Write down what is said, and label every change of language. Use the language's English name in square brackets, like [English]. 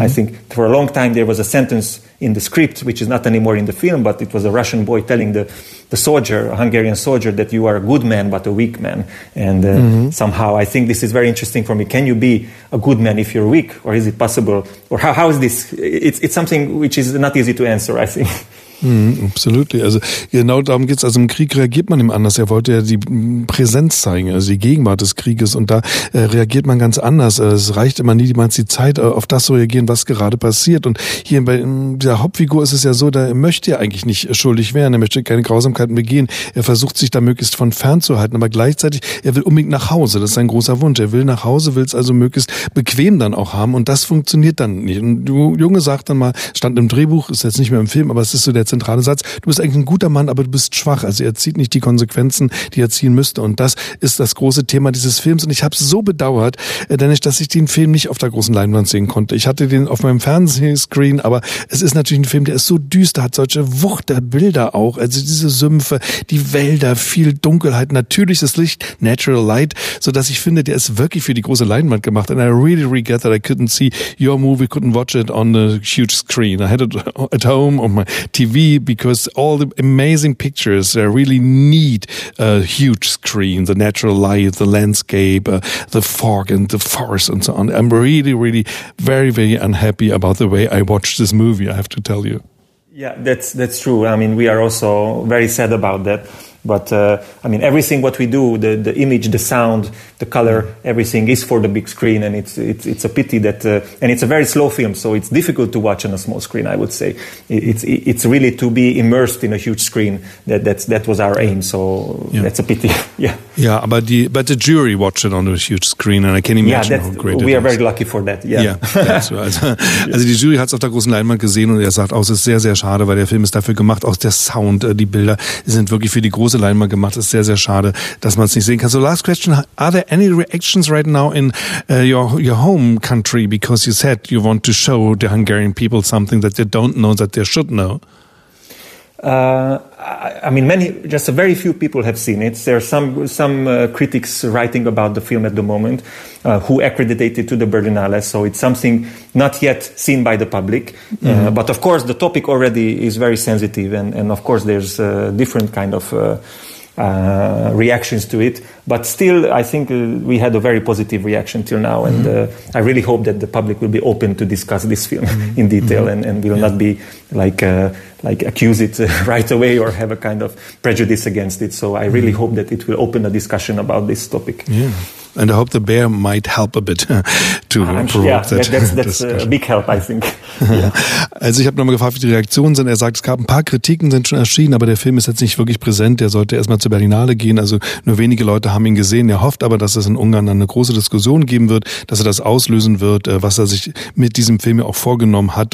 [English] I think for a long time, there was a sentence in the script, which is not anymore in the film, but it was a Russian boy telling the soldier, a Hungarian soldier, that you are a good man, but a weak man. And somehow, I think this is very interesting for me. Can you be a good man if you're weak? Or is it possible? Or how is this? It's something which is not easy to answer, I think. [German] Absolut. Also genau darum geht's. Also im Krieg reagiert man ihm anders. Er wollte ja die Präsenz zeigen, also die Gegenwart des Krieges. Und da reagiert man ganz anders. Es reicht immer nie, niemals die Zeit, auf das zu reagieren, was gerade passiert. Und hier bei der Hauptfigur ist es ja so, da möchte er eigentlich nicht schuldig werden. Er möchte keine Grausamkeiten begehen. Er versucht sich da möglichst von fern zu halten. Aber gleichzeitig, er will unbedingt nach Hause. Das ist sein großer Wunsch. Er will nach Hause, will es also möglichst bequem dann auch haben. Und das funktioniert dann nicht. Und Junge sagt dann mal, stand im Drehbuch, ist jetzt nicht mehr im Film, aber es ist so der zentrale Satz, du bist eigentlich ein guter Mann, aber du bist schwach. Also er zieht nicht die Konsequenzen, die er ziehen müsste. Und das ist das große Thema dieses Films. Und ich habe es so bedauert, Dennis, dass ich den Film nicht auf der großen Leinwand sehen konnte. Ich hatte den auf meinem Fernsehscreen, aber es ist natürlich ein Film, der ist so düster, hat solche Wucht der Bilder auch. Also diese Sümpfe, die Wälder, viel Dunkelheit, natürliches Licht, natural light, sodass ich finde, der ist wirklich für die große Leinwand gemacht. [English] And I really regret that I couldn't see your movie, couldn't watch it on the huge screen. I had it at home on my TV, because all the amazing pictures really need a huge screen, the natural light, the landscape, the fog and the forest and so on. I'm really, really very, very unhappy about the way I watched this movie, I have to tell you. Yeah, that's true. I mean, we are also very sad about that. But I mean, everything what we do, the image, the sound, the color, everything is for the big screen. And it's a pity that and it's a very slow film, so it's difficult to watch on a small screen, I would say. It's really to be immersed in a huge screen. That was our aim. So that's a pity. Yeah. But the jury watched it on a huge screen, and I can't imagine how great it is. We are very lucky for that. Yeah. [German] Also die Jury hat es auf der großen Leinwand gesehen und er sagt, es ist sehr, sehr schade, weil der Film ist dafür gemacht. Auch der Sound, die Bilder sind wirklich für die große Leinwand gemacht. Das ist sehr, sehr schade, dass man es nicht sehen kann. [English] So, last question. Are there any reactions right now in your home country? Because you said you want to show the Hungarian people something that they don't know, that they should know. I mean, just a very few people have seen it. There are some critics writing about the film at the moment who accredited to the Berlinale. So it's something not yet seen by the public. But of course, the topic already is very sensitive. And of course, there's a different kind of... reactions to it. But still, I think we had a very positive reaction till now. And I really hope that the public will be open to discuss this film in detail and will not be like accuse it right away or have a kind of prejudice against it. So I really hope that it will open a discussion about this topic. Yeah. And I hope the bear might help a bit to provoke that's a big help, I think. [German] Also ich habe nochmal gefragt, wie die Reaktionen sind. Er sagt, es gab ein paar Kritiken, sind schon erschienen, aber der Film ist jetzt nicht wirklich präsent. Der sollte erstmal zur Berlinale gehen. Also nur wenige Leute haben ihn gesehen. Er hofft aber, dass es in Ungarn eine große Diskussion geben wird, dass er das auslösen wird, was er sich mit diesem Film ja auch vorgenommen hat.